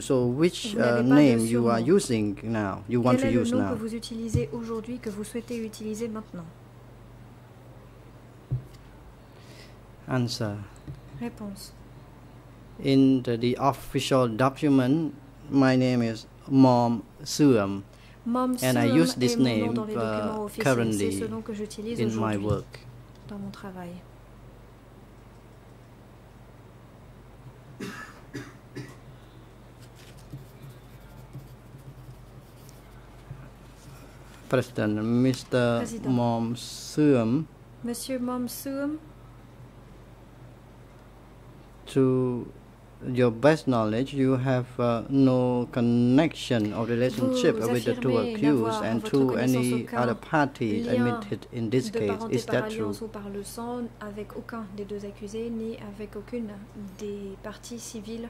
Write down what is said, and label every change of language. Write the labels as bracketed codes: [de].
[en] So which name you are using now, you want to use now? [fr] Que vous utilisez aujourd'hui, que vous souhaitez utiliser maintenant? [en] Answer. [fr] Réponse. [en] In the official document, my name is Mam Soeurm. [fr] Mam Soeurm. [en] And I use this name currently in my work. [fr] Dans mon travail. [en] President, Mr. Mam Soeurm. [fr] Monsieur Mam Soeurm. [en] To your best knowledge, you have no connection or relationship with the two accused and to any other party admitted in this case. Is that true? [fr] Ou par le sang avec aucun des deux accusés ni avec aucune des parties civiles